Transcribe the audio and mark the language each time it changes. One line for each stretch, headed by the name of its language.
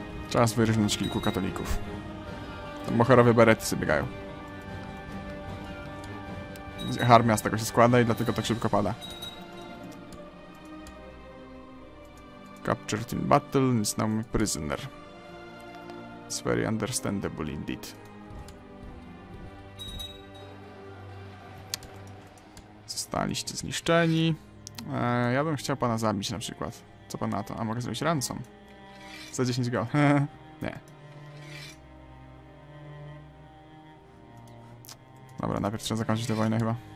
Polish: Czas wyrżnąć kilku katolików. Tam moherowe berety sobie biegają. Armia z tego się składa i dlatego tak szybko pada.
English: Captured in battle and is now my prisoner. It's very understandable indeed.
Polish: Zostaliście zniszczeni. Ja bym chciał pana zabić na przykład. Co pan na to? A mogę zrobić ransom? Za 10 go. Nie. Dobra, najpierw trzeba zakończyć tę wojnę chyba.